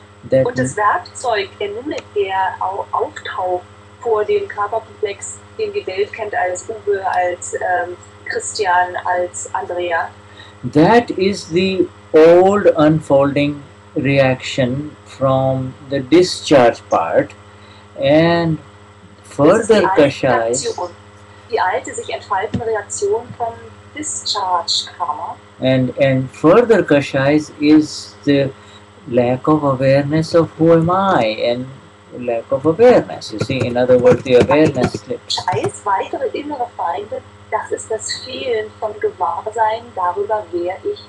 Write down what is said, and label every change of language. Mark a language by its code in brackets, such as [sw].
[de] That und das Werkzeug, der Nimit, der auftaucht vor dem Körperkomplex, den die Welt kennt als Uwe, als Christian, als Andrea. [en] That is the old unfolding reaction from the discharge part, and further kasha is [de] die alte sich entfaltende Reaktion vom discharge karma. [en] And further kasha is the lack of awareness of who am I, and lack of awareness. You see, in other words, the awareness slips. [de] Kasha, weitere innere Feinde, das ist das Fehlen von Gewahrsein darüber, wer ich.